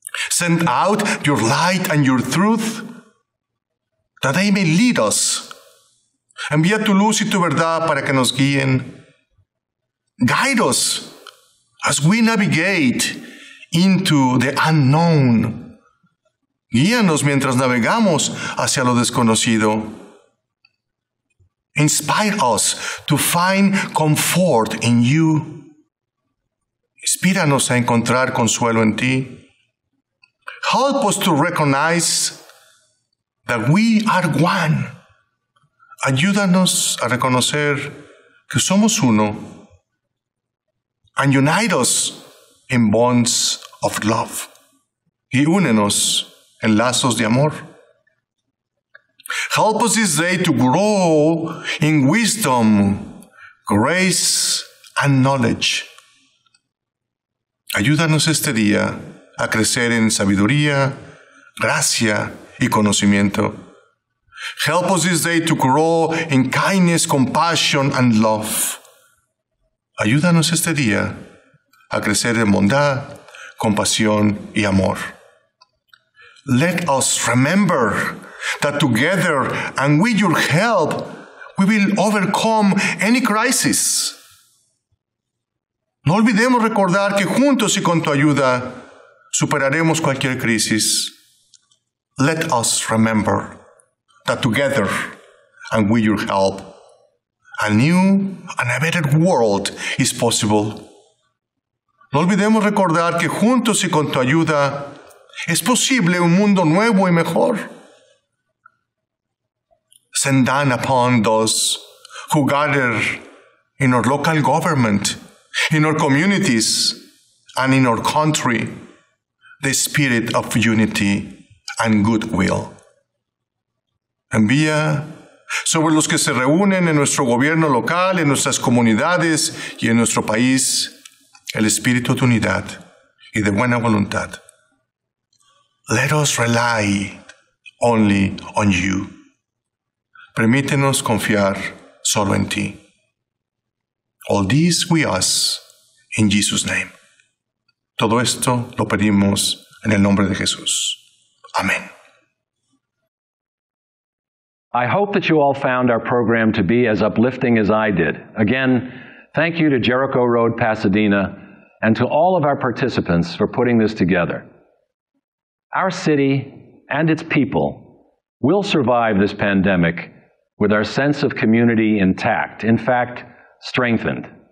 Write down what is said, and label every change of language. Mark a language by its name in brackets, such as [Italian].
[English] Send out your light and your truth, that they may lead us. [Spanish] Envía tu luz y tu verdad para que nos guíen. [English] Guide us as we navigate into the unknown. [Spanish] Guíanos mientras navegamos hacia lo desconocido. [English] Inspire us to find comfort in you. [Spanish] Inspíranos a encontrar consuelo en ti. [English] Help us to recognize that we are one. [Spanish] Ayúdanos a reconocer que somos uno. [English] And unite us in bonds of love. [Spanish] Y únenos en lazos de amor. [English] Help us this day to grow in wisdom, grace, and knowledge. [Spanish] Ayúdanos este día a crecer en sabiduría, gracia, y conocimiento. [English] Help us this day to grow in kindness, compassion, and love. [Spanish] Ayúdanos este día a crecer en bondad, compasión, y amor. [English] Let us remember that together and with your help, we will overcome any crisis. [Spanish] No olvidemos recordar que juntos y con tu ayuda superaremos cualquier crisis. [English] Let us remember that together and with your help, a new and a better world is possible. [Spanish] No olvidemos recordar que juntos y con tu ayuda es posible un mundo nuevo y mejor. [English] Send down upon those who gather in our local government, in our communities, and in our country, the spirit of unity and goodwill. [Spanish] Envía sobre los que se reúnen en nuestro gobierno local, en nuestras comunidades y en nuestro país, el espíritu de unidad y de buena voluntad. [English] Let us rely only on you. [Spanish] Permítenos confiar solo en ti. [English] All this we ask in Jesus' name. [Spanish] Todo esto lo pedimos en el nombre de Jesús. Amén. [English] I hope that you all found our program to be as uplifting as I did. Again, thank you to Jericho Road, Pasadena, and to all of our participants for putting this together. Our city and its people will survive this pandemic with our sense of community intact, in fact, strengthened.